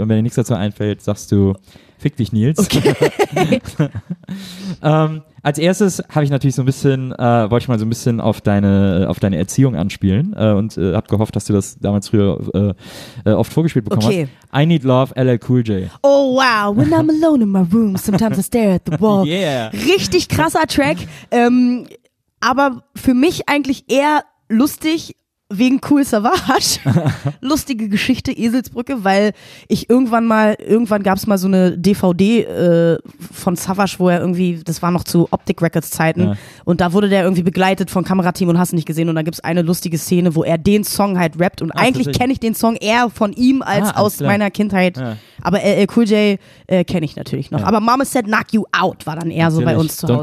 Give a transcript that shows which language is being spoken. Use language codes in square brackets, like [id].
[de] Und wenn dir nichts dazu einfällt, sagst du, fick dich, Nils. Okay. Als erstes habe ich natürlich so ein bisschen, wollte ich mal so ein bisschen auf deine Erziehung anspielen und habe gehofft, dass du das damals früher oft vorgespielt bekommen hast. [en] I Need Love, LL Cool J. Oh wow, when I'm alone in my room, sometimes I stare at the wall. Yeah. [de] Richtig krasser Track, aber für mich eigentlich eher lustig wegen Cool Savage. Lustige Geschichte, Eselsbrücke, weil ich irgendwann gab es mal so eine DVD von Savage, wo er irgendwie, das war noch zu Optik Records Zeiten, und da wurde der irgendwie begleitet von Kamerateam und hast ihn nicht gesehen, und da gibt es eine lustige Szene, wo er den Song halt rappt, und eigentlich kenne ich den Song eher von ihm als aus meiner Kindheit, aber Cool J kenne ich natürlich noch, aber Mama Said Knock You Out war dann eher so bei uns zu Hause.